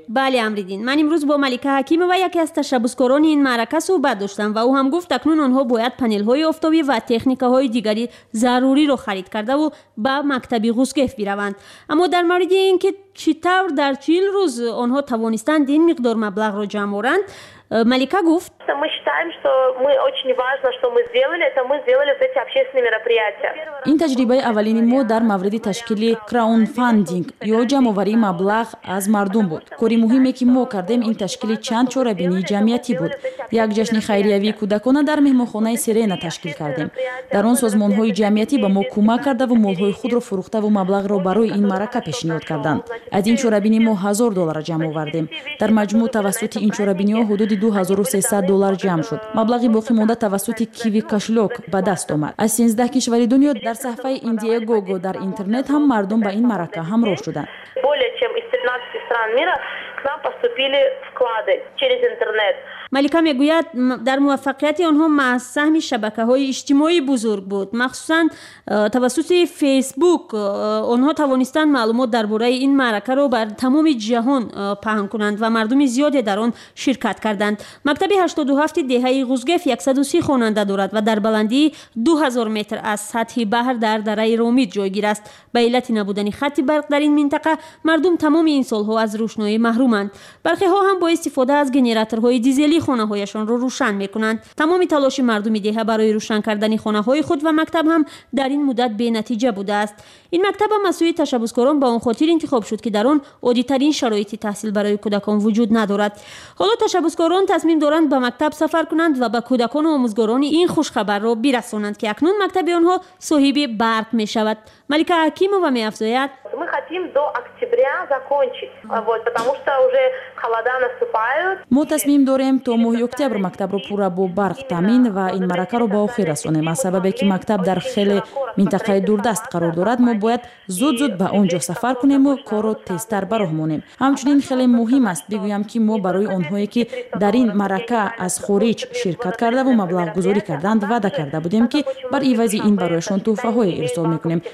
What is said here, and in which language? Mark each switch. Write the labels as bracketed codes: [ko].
[tg] бале Амриддин, ман имрӯз бо Малика Ҳакимова, яке аз ташаббускорони ин маърака, суҳбат доштам ва ӯ ҳам гуфт, акнун онҳо бояд панелҳои офтобӣ ва техникаҳои дигари заруриро харид кардаву ба мактаби Ғузгеф бираванд. аммо дар мавриди ин ки [fa] چی طور در 40 روز آنها توانستند این مقدار مبلغ را جمع آورند؟ [tg] Малика гуфт. [ru] Мы считаем, что мы очень важно, что мы сделали, это мы сделали вот эти общественные мероприятия. [tg] Ин таҷрибаи аввалини мо дар мавриди ташкили краунфандинг ё ҷамъоварии маблағ аз мардум буд. Кори муҳиме ки мо кардем ин ташкили чанд чорабинии ҷамъиятӣ буд. Як ҷашни хайриявии кӯдакона дар меҳмонхонаи Сирена ташкил кардем. Дар он созмонҳои ҷамъиятӣ ба мо кӯмак кардаву молҳои худро фурӯхтаву маблағро барои ин маърака пешниҳод карданд. Аз ин чорабини мо 1000 доллар ҷамъовардем. Дар маҷмӯъ тавассути ин чорабиниҳо ҳудуд 2300 доллар ҷамъ шуд. Маблағи боқӣ монда тавассути Kiwi Cashlock ба даст омад. Аз 13 кишвари дунё дар сафҳаи Indiegogo дар интернет ҳам мардум ба ин марака ҳамроҳ шуданд. [ru] Более чем из 13 стран мира к нам поступили вклады через интернет. [tg] Малика мегуяд дар муваффақияти онҳо маҳз саҳми шабакаҳои иҷтимоӣ бузург буд. Махсусан тавассути Facebook онҳо тавонистанд маълумот дар бораи ин маъракаро бар тамоми ҷаҳон паҳн кунанд ва мардуми зиёде дар он ширкат карданд. Мактаби 87 деҳаи Гузгеф 130 хонанда дорад ва дар баландии 2000 метр аз сатҳи баҳр дар дараи Ромид ҷойгир аст. Ба иллати набудани хати барқ дар ин минтақа мардум тамоми ин солҳо аз рӯшноӣ маҳруманд. Бархеҳо ҳам бо истифода аз генераторҳои дизел ли хонаҳояшонро рӯшан мекунанд. Тамоми талоши мардуми деҳа барои рӯшан кардани хонаҳои худ ва мактаб ҳам дар ин муддат бенатиҷа будааст. Ин мактаб ба масъули ташаббускорон ба он хотир интихоб шуд ки дар он оддитарин шароити таҳсил барои кӯдакон вуҷуд надорад. Ҳоло ташаббускорон тасмим доранд ба мактаб сафар кунанд ва ба кӯдакону омӯзгорони ин хушхабарро бирасонанд ки акнун мактаби онҳо соҳиби барқ мешавад. Малика Акимова меафзояд. [ru] Мы хотим до октября закончить. Вот, потому что уже холода наступают. [tg] Мо тасмим дорем то моҳи октябр мактабро пурра бо барқ таъмин ва ин маъракаро ба охир расонем. Аз сабабе ки мактаб дар хеле минтақаи дурдаст қарор дорад, мо бояд зуд-зуд ба онҷо сафар кунем ва корро тезтар ба роҳ монем. Ҳамчунин хеле муҳим аст бигӯям ки мо барои онҳое ки дар ин маърака аз хориҷ ширкат карда ва маблағ гузорӣ карданд, ваъда карда будем ки бар ивази ин барояшон тӯҳфаҳое ирсол мекунем.